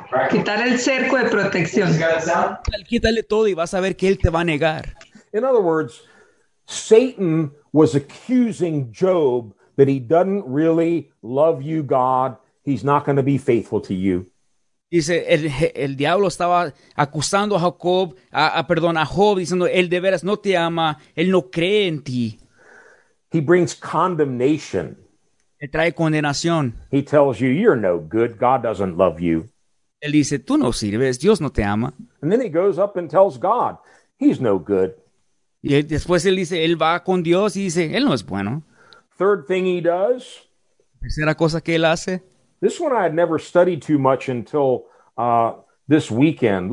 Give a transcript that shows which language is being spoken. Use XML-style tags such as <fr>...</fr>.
<es>quitar el cerco de protección. Quítale todo y vas a ver que él te va a negar.</es> <en>In other words, Satan was accusing Job that he doesn't really love you, God. He's not going to be faithful to you.</en> <es>Dice, el diablo estaba acusando a Jacob, a Job, diciendo, él de veras no te ama, él no cree en ti.</es> <en>He brings condemnation.</en> <es>Él trae condenación.</es> <en>He tells you, you're no good, God doesn't love you.</en> <es>Él dice, tú no sirves, Dios no te ama.</es> <en>And then he goes up and tells God, he's no good.</en> <es>Y después él dice, él va con Dios y dice, él no es bueno.</es> <en>Third thing he does.</en> <es>Tercera cosa que él hace.</es> <en>This one I had never studied too much until this weekend.</en>